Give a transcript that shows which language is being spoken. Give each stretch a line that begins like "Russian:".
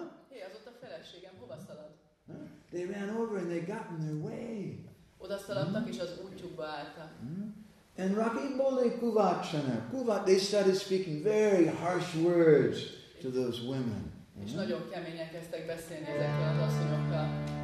Hungarian: Hey, az ott a feleségem, hova szalad?
English: They ran over and they got in their way.
Hungarian: Odaszaladtak és az útjukba álltak.
English: And Rakibole Kuvachana, Kuvat, they started speaking very harsh words to those women.
Hungarian: És nagyon keményen kezdtek beszélni ezekkel az asszonyokkal.